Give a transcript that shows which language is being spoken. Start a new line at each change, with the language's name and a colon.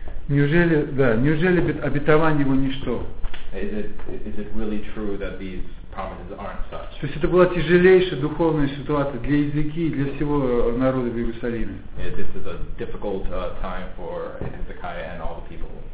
Russian: Неужели, да, неужели обетование его ничто?
English: Is it really true that these promises aren't such?
Russian: То есть это была тяжелейшая духовная ситуация для языки и для всего народа в Иерусалиме.
English: Yeah, this is a difficult time for Hezekiah and all the people.